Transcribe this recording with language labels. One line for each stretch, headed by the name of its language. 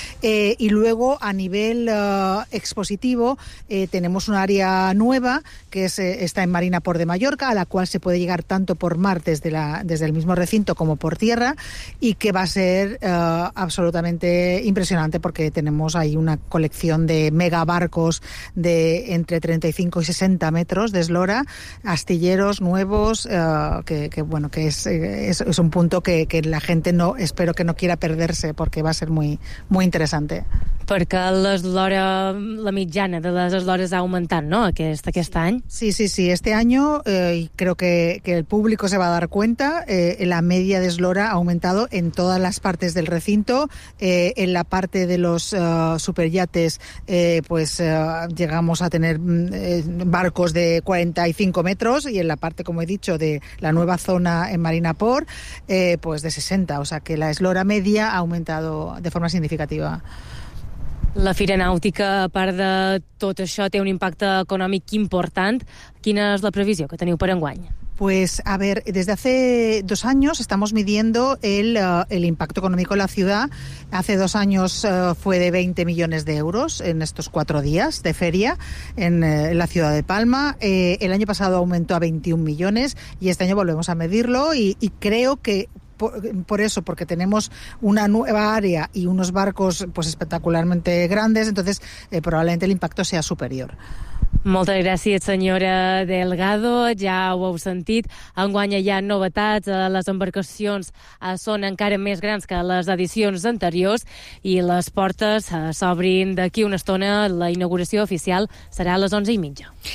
Spanish: Y luego, a nivel expositivo, tenemos un área nueva que está en Marina Port de Mallorca, a la cual se puede llegar tanto por mar desde el mismo recinto como por tierra, y que va a ser absolutamente impresionante porque tenemos ahí una colección de megabarcos de entre 35 y 60 metros de eslora, astilleros nuevos, que es un punto que la gente no, espero que no quiera perderse, porque va a ser muy, muy interesante.
Catalan: Perquè l'eslora, la mitjana de les eslores ha augmentat, no?, aquest any.
Spanish: Sí, sí, sí. Este año creo que el público se va a dar cuenta. La media de eslora ha aumentado en todas las partes del recinto. En la parte de los superyates llegamos a tener barcos de 45 metros y en la parte, como he dicho, de la nueva zona en Marina Port, pues de 60. O sea que la eslora media ha aumentado de forma significativa.
Catalan: La Fira Nàutica, a part de tot això, té un impacte econòmic important. Quina és la previsió que teniu per enguany?
Spanish: Pues, a ver, desde hace 2 años estamos midiendo el impacto económico en la ciudad. Hace 2 años fue de 20 millones de euros en estos 4 días de feria en la ciudad de Palma. El año pasado aumentó a 21 millones y este año volvemos a medirlo y creo que por eso, porque tenemos una nueva área y unos barcos pues espectacularmente grandes, entonces probablemente el impacto sea superior.
Catalan: Moltes gràcies, senyora Delgado. Ja ho heu sentit. Enguany hi ha novetats. Les embarcacions són encara més grans que les edicions anteriors i les portes s'obrin d'aquí una estona. La inauguració oficial serà a les 11:30.